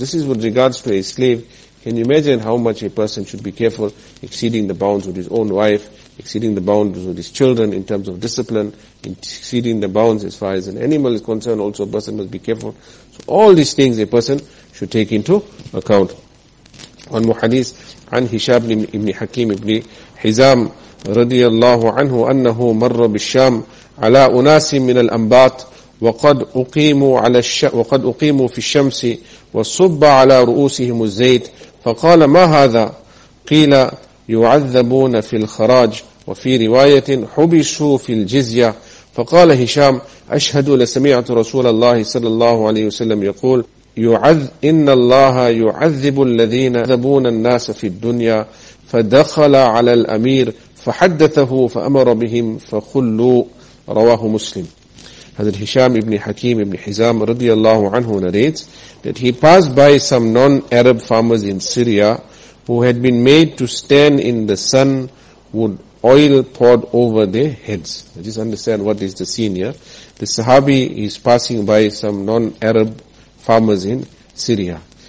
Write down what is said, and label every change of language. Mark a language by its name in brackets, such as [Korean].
[English] This is with regards to a slave. Can you imagine how much a person should be careful exceeding the bounds with his own wife, exceeding the bounds with his children in terms of discipline, exceeding the bounds as far as an animal is concerned, also a person must be careful. So all these things a person should take into account. One more hadith, [Arabic] عن هشام ابن حكيم ابن حزام رضي الله عنه أنه مر بالشام على أناس من الأنباط وقد أقيموا في الشمس وصب على رؤوسهم الزيت فقال ما هذا قيل يعذبون في الخراج وفي رواية حبسوا في الجزية فقال هشام أشهد لسمعت رسول الله صلى الله عليه وسلم يقول إن الله يعذب الذين يعذبون الناس في الدنيا فدخل على الأمير فحدثه فأمر بهم فخلوا رواه مسلم. هذا هشام ابن حكيم ابن حزام رضي الله عنه [English] narrates that he passed by some non-Arab farmers in Syria who had been made to stand in the sun with oil poured over their heads. Just understand what is the scene here. The Sahabi is passing by some non-Arab farmers in Syria.